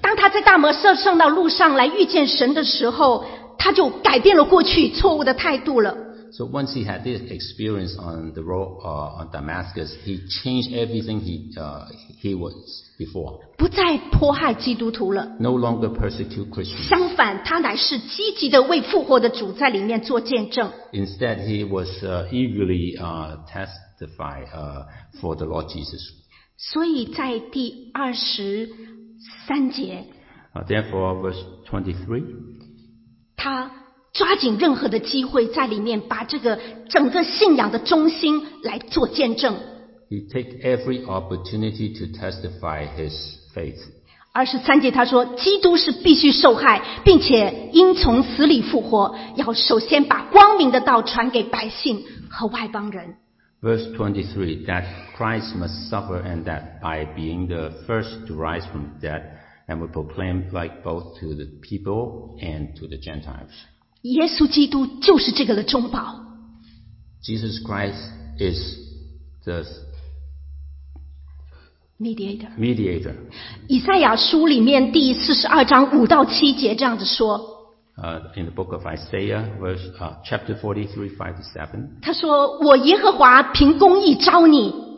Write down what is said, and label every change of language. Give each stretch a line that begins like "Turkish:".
Chinese: 当他在大马士革上的路上来遇见神的时候，他就改变了过去错误的态度了。
English: So once he had this experience on the road on Damascus, he changed everything he was before.
Chinese: 不再迫害基督徒了。
English: No longer persecute Christians.
Chinese: 相反，他乃是积极的为复活的主在里面做见证。
English: Instead, he was eagerly testify for the Lord Jesus.
Chinese: 所以在第二十三节。
English: Therefore, verse 23.
Chinese: 他抓紧任何的机会，在里面把这个整个信仰的中心来做见证。
English: He take every opportunity to testify his faith.
Chinese: 23节他说，基督是必须受害，并且应从死里复活，要首先把光明的道传给百姓和外邦人。
English: Verse 23, that Christ must suffer and that by being the first to rise from the dead, And we proclaim like both to the people and to the Gentiles.
Chinese: 耶稣基督就是这个的中保。
English: Jesus Christ is the mediator.
Chinese: 以赛亚书里面第42章5到7节这样子说。
English: In the book of Isaiah, chapter 43, 5 to 7.
Chinese: 他说我耶和华凭公义招你。